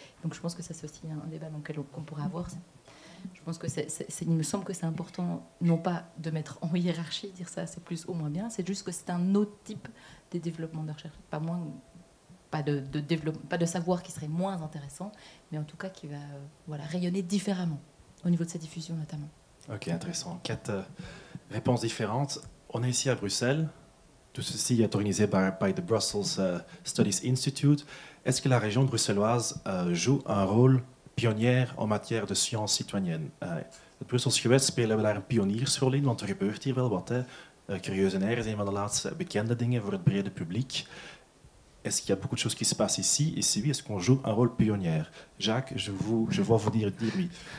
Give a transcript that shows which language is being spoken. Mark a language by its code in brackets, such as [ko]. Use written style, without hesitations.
[fr] Donc je pense que ça c'est aussi un débat dans lequel on pourrait avoir. Je pense que il me semble que c'est important, non pas de mettre en hiérarchie, dire ça c'est plus ou moins bien, c'est juste que c'est un autre type de développement de recherche, pas de savoir qui serait moins intéressant, mais en tout cas qui va rayonner différemment au niveau de sa diffusion notamment. Ok, intéressant. Quatre réponses différentes. On est ici à Bruxelles. Tout ceci est organisé par the Brussels Studies Institute. Est-ce que la région bruxelloise joue un rôle pionnière en matière de sciences citoyennes? [nl] Het Brussels Gewest spelen we daar een pionierschool in, want er gebeurt hier wel wat. Curieusenaire is een van de laatste bekende dingen voor het brede publiek. [fr] Est-ce qu'il y a beaucoup de choses qui se passent ici? Et si oui, est-ce qu'on joue un rôle pionnière? Jacques, je vois vous dire oui.